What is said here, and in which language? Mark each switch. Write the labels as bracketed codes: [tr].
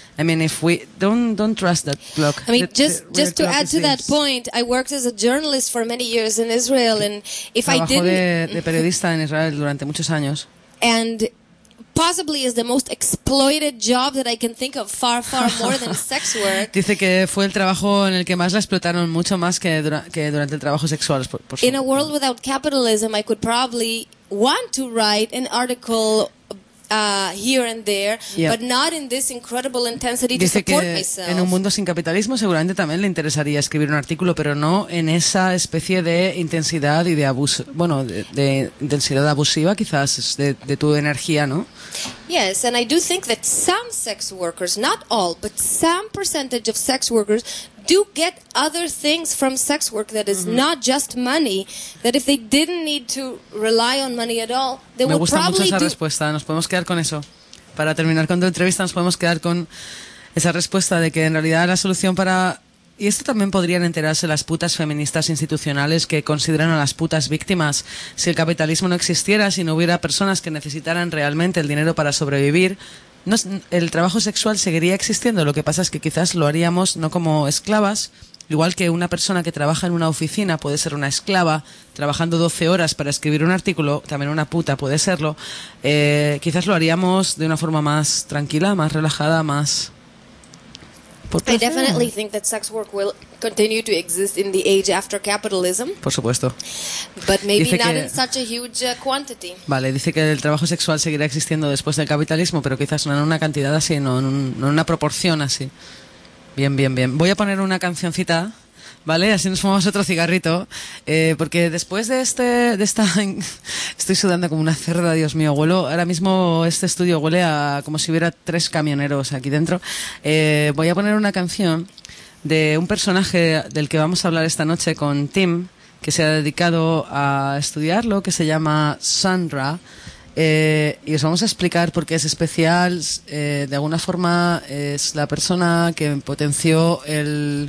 [en] I mean, if we don't trust that clock. I mean, just to add to that point, I worked as a journalist for many years in Israel, and if I didn't... [es] De periodista en Israel durante muchos años. [en] And possibly is the most exploited job that I can think of, far, far more than sex work. [es] Dice que fue el trabajo en el que más la explotaron, mucho más que durante el trabajo sexual. [en] In a world without capitalism, I could probably want to write an article here and there, but not in this incredible intensity to support myself. [es] Dice que en un mundo sin capitalismo seguramente también le interesaría escribir un artículo, pero no en esa especie de intensidad y de abuso, bueno, de intensidad abusiva quizás, de tu energía, ¿no? [en] Yes, and I do think that some sex workers, not all, but some percentage of sex workers do get other things from sex work that is not just money, that if they didn't need to rely on money at all, they would probably do... [es] Me gusta mucho esa respuesta, nos podemos quedar con eso. Para terminar con tu entrevista, nos podemos quedar con esa respuesta de que en realidad la solución para... Y esto también podrían enterarse las putas feministas institucionales que consideran a las putas víctimas. Si el capitalismo no existiera, si no hubiera personas que necesitaran realmente el dinero para sobrevivir, no, el trabajo sexual seguiría existiendo. Lo que pasa es que quizás lo haríamos no como esclavas, Igual que una persona que trabaja en una oficina puede ser una esclava trabajando 12 horas para escribir un artículo, también una puta puede serlo, quizás lo haríamos de una forma más tranquila, más relajada, más... [en] I definitely think that sex work will continue to exist in the age after capitalism. [es] Por supuesto. [en] But maybe [es] dice [en] not [es] que, [en] in such a huge quantity. [es] Vale, dice que el trabajo sexual seguirá existiendo después del capitalismo, pero quizás no en una cantidad así, no en, un, no en una proporción así. Bien, bien, bien. Voy a poner una cancioncita, ¿vale? Así nos fumamos otro cigarrito, porque después de este, de esta, estoy sudando como una cerda, Dios mío, huelo, ahora mismo este estudio huele a como si hubiera tres camioneros aquí dentro, voy a poner una canción de un personaje del que vamos a hablar esta noche con Tim, que se ha dedicado a estudiarlo, que se llama Sandra, y os vamos a explicar por qué es especial, de alguna forma es la persona que potenció el...